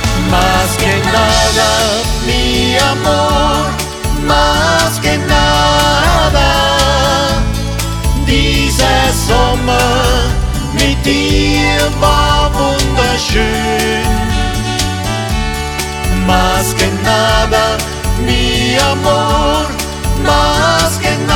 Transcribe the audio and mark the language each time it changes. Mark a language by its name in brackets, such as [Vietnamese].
[Spanish] Más que nada, mi amor, más que nada. [German] Dieser Sommer mit dir war wunderschön. [Spanish] Más que nada, mi amor, más que